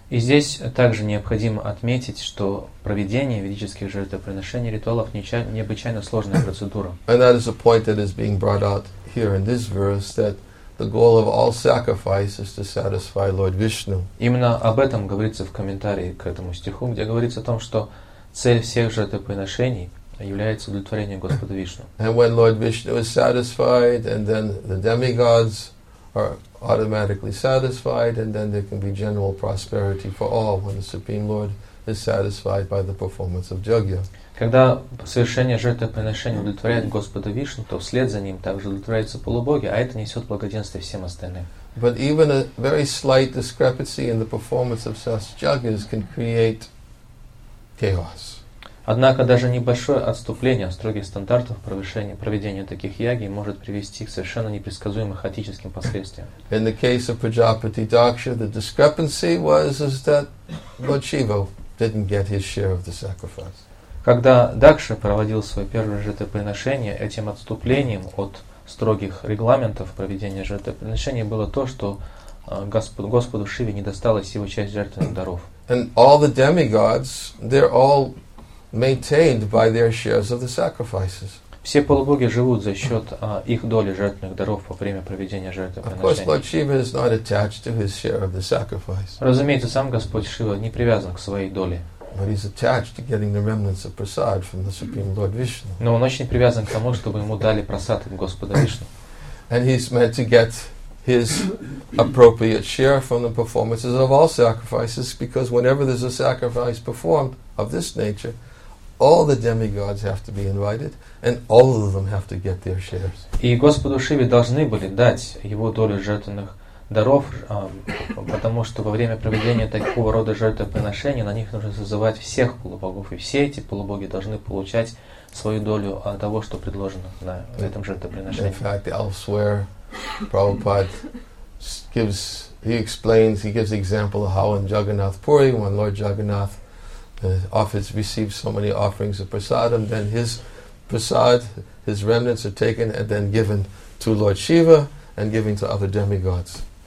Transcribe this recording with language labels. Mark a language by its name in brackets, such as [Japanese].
[Russian] И здесь также необходимо отметить, что проведение ведических жертвоприношений ритуалов необычайно сложная процедура. [English] And that is a point that is being brought out here in this verse, that the goal of all sacrifice is to satisfy Lord Vishnu. [Russian] Именно об этом говорится в комментарии к этому стиху, где говорится о том, что цель всех жертвоприношений является удовлетворение Господа Вишну. [English] And when Lord Vishnu is satisfied, and then the demigods are automatically satisfied, and then there can be general prosperity for all when the Supreme Lord is satisfied by the performance of Jagya. [Russian] Когда совершение жертвоприношения удовлетворяет Господа Вишну, то вслед за ним также удовлетворяются полубоги, а это несет благоденствие всем остальным. [English] But even a very slight discrepancy in the performance of such jagyas can create chaos. [Russian] Однако даже небольшое отступление от строгих стандартов проведения таких яги может привести к совершенно непредсказуемым хаотическим последствиям. [English] In the case of Prajapati Daksha, the discrepancy was that Lord Shiva didn't get his share of the sacrifice. [Russian] Когда Дакша проводил свое первое жертвоприношение, этим отступлением от строгих регламентов проведения жертвоприношения было то, что Господу Шиве не досталось его часть жертвенных даров. [English] And all the demigods, they're all maintained by their shares of the sacrifices. [Russian] Все полубоги живут за счет их доли жертвенных даров во время проведения жертвоприношения. [English] Of course, Lord Shiva is not attached to his share of the sacrifice. [Russian] Разумеется, сам Господь Шива не привязан к своей доле. [English] But he's attached to getting the remnants of prasad from the Supreme Lord Vishnu. [Russian] Но он очень привязан к тому, чтобы ему дали прасад от Господа Вишну. [English] And he's meant to get his appropriate share from the performances of all sacrifices, because whenever there's a sacrifice performed of this nature, all the demigods have to be invited, and all of them have to get their shares. [Russian] И Господу Шиве должны были дать его долю жертвенных даров, потому что во время проведения такого рода жертвоприношений на них нужно созывать всех полубогов, и все эти полубоги должны получать свою долю от того, что предложено на этом жертвоприношении. [English] In fact, elsewhere, Prabhupada gives, he explains, he gives example of how in Jagannath Puri, when Lord Jagannath offers, receives so many offerings of prasadam, then his prasad, his remnants are taken and then given to Lord Shiva and given to other demigods.